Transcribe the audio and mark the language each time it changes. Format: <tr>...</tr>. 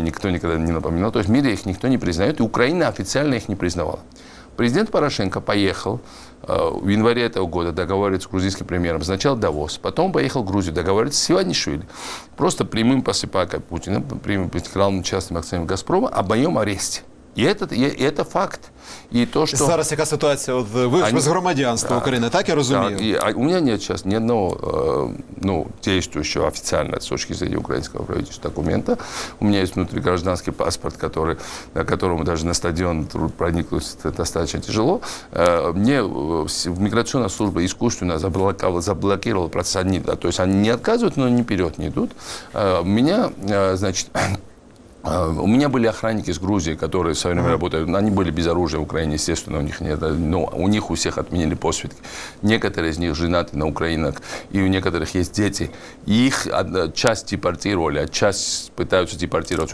<ru>Никто никогда не напоминал. То есть в мире их никто не признает. И Украина официально их не признавала. Президент Порошенко поехал в январе этого года договориться с грузинским премьером. Сначала Давос, потом поехал в Грузию договориться с Иванишвили. Просто прямым посыпакой Путина, прямым постигалным частным акционером «Газпрома» об моем аресте.</ru> <uk>І це факт. І то, що... Зараз яка ситуація? Ви ж без громадянства України, так я розумію? Так, у мене немає зараз ні одного діючого офіційно з точки зору українського правительства документа. У мене є внутрішній громадянський паспорт, который, на якому навіть на стадіон проникнути достатньо тяжело. Мені міграційна служба іскусственно заблокувала процес анніда. Тобто вони не відказують, але ні вперед не йдуть. Мене, значить...</uk> <ru>У меня были охранники из Грузии, которые в свое время работали. Они были без оружия в Украине, естественно, у них нет. Но у них у всех отменили посвидки. Некоторые из них женаты на украинок, и у некоторых есть дети. И их часть депортировали, а часть пытаются депортировать.</ru>